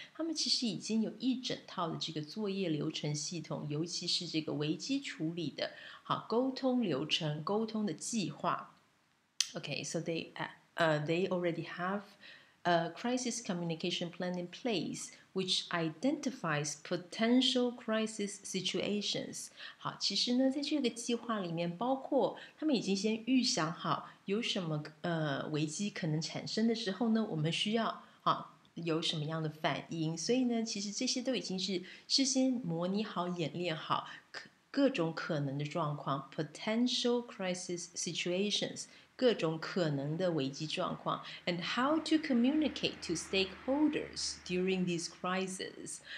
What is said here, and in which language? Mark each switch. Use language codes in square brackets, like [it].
[zh] 他们其实已经有一整套的这个作业流程系统，尤其是这个危机处理的好沟通流程、沟通的计划。 [en] Okay, so they already have a crisis communication plan in place, which identifies potential crisis situations. [zh] 好，其实呢，在这个计划里面，包括他们已经先预想好。有什么危机可能产生的时候呢，我们需要啊有什么样的反应，所以呢其实这些都已经是事先模拟好演练好各种可能的状况 [en] potential crisis situations [zh] 各种可能的危机状况 [en] and how to communicate to stakeholders during these crises